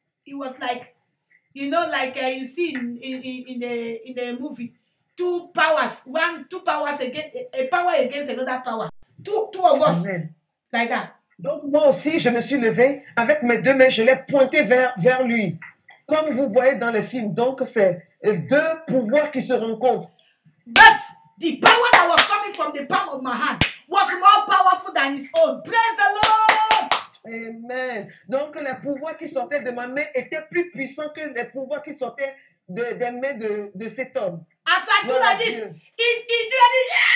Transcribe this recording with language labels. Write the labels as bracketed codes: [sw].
[en] It was like, you know, like you see in the movie, two powers against another power. Two of us, amen. Like that. [fr] Donc moi aussi, je me suis levé avec mes deux mains, je l'ai pointé vers lui. Comme vous voyez dans les films, donc c'est deux pouvoirs qui se rencontrent. [en] But the power that was coming from the palm of my hand was more powerful than his own. Praise the Lord! Amen. [fr] Donc le pouvoir qui sortait de ma main était plus puissant que le pouvoir qui sortait des mains de cet homme. [en] As I do like this, he did it.